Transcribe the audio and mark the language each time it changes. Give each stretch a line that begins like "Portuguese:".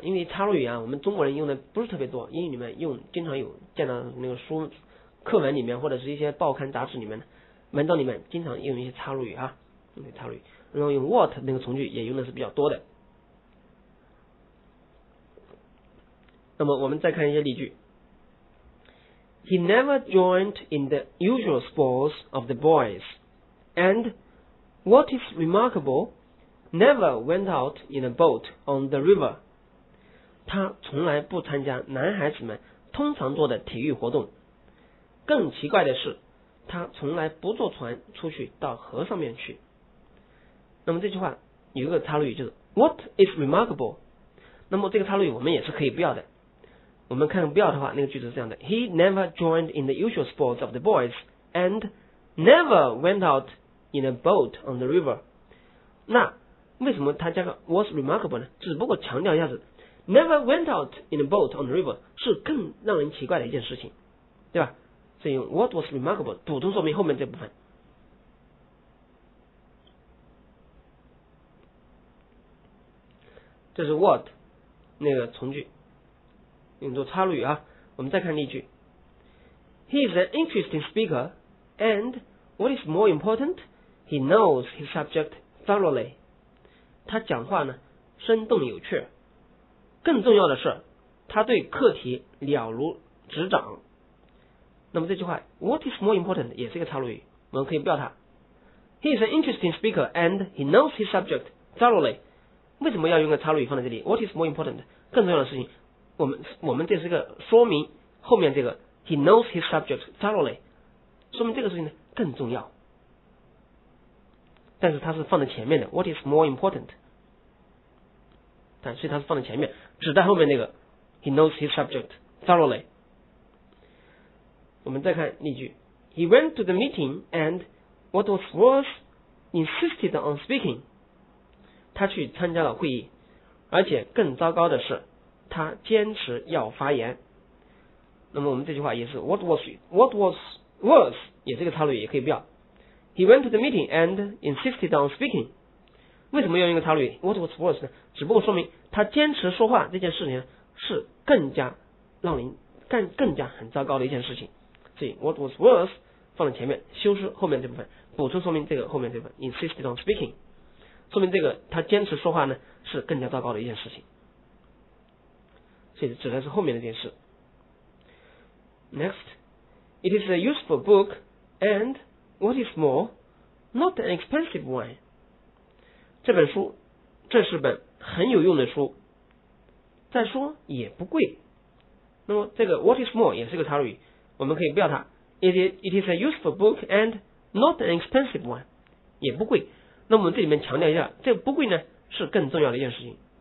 Chinese: 因为插入语啊，我们中国人用的不是特别多，英语里面用经常有，见到那个书课文里面或者是一些报刊杂志里面的文章里面经常用一些插入语啊，用的插入语。然后用 what 那个从句也用的是比较多的。那么我们再看一些例句。
English: He never joined in the usual sports of the boys, and what is remarkable, never went out in a boat on the river.
Chinese: 他从来不参加男孩子们通常做的体育活动，更奇怪的是他从来不坐船出去到河上面去。那么这句话有一个插入语，就是
English: What is remarkable?
Chinese: 那么这个插入语我们也是可以不要的。我们看不要的话，那个句子是这样的
English: He never joined in the usual sports of the boys and never went out in a boat on the river.
Chinese: 那为什么他加个
English: What's remarkable
Chinese: 呢？只不过强调一下子
English: Never went out in a boat on the river
Chinese: 是更让人奇怪的一件事情，对吧？所以用
English: What was remarkable
Chinese: 补充说明后面这部分。这是 what 那个从句，用作插入语啊。我们再看例句
English: ，He is an interesting speaker, and what is more important, he knows his subject thoroughly.
Chinese: 他讲话呢生动有趣，更重要的是他对课题了如指掌。那么这句话
English: what is more important
Chinese: 也是一个插入语，我们可以不要它。
English: He is an interesting speaker, and he knows his subject thoroughly.
Chinese: 为什么要用个插入语放在这里 ？
English: What is more important?
Chinese: 更重要的事情，我们这是一个说明，后面这个
English: he knows his subject thoroughly，
Chinese: 说明这个事情呢更重要。但是它是放在前面的 ，
English: What is more important?
Chinese: 但所以它是放在前面，指代后面那个
English: he knows his subject thoroughly。
Chinese: 我们再看例句
English: ，He went to the meeting and what was worse, insisted on speaking.
Chinese: 他去参加了会议，而且更糟糕的是他坚持要发言。那么我们这句话也是
English: what was worse
Chinese: 也是个插入语，也可以不要。
English: He went to the meeting and insisted on speaking。
Chinese: 为什么要用一个插入语
English: what was worse
Chinese: 呢？只不过说明他坚持说话这件事情是更加很糟糕的一件事情，所以 what was worse 放在前面修饰后面这部分，补充说明这个后面这部分
English: insisted on speaking，
Chinese: 说明这个他坚持说话呢是更加糟糕的一件事情，所以指的是后面的件事。
English: Next, it is a useful book and what is more, not an expensive one.
Chinese: 这是本很有用的书，再说也不贵。那么这个
English: what is more
Chinese: 也是个插入语，我们可以不要它。
English: It is a useful book and not an expensive one,
Chinese: 也不贵。那么我们这里面强调一下，这不贵呢是更重要的一件事情。